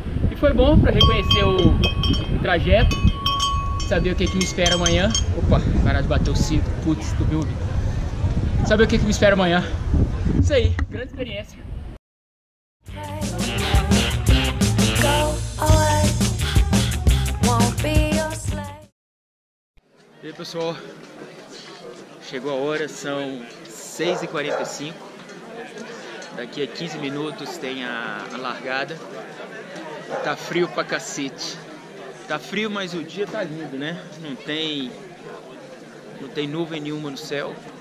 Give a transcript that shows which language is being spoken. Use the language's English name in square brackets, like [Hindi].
[Portuguese] E foi bom para reconhecer o trajeto, saber o que, que me espera amanhã. Opa, parar de bater o cinto, putz, tô me ouvindo. Saber o que, que me espera amanhã. Isso aí, grande experiência. [English] Go away. Won't be your slave. [Portuguese] E aí, pessoal, chegou a hora, são 6h45. Daqui a 15 minutos tem a largada. Tá frio pra cacete. Tá frio, mas o dia tá lindo, né? Não tem nuvem nenhuma no céu.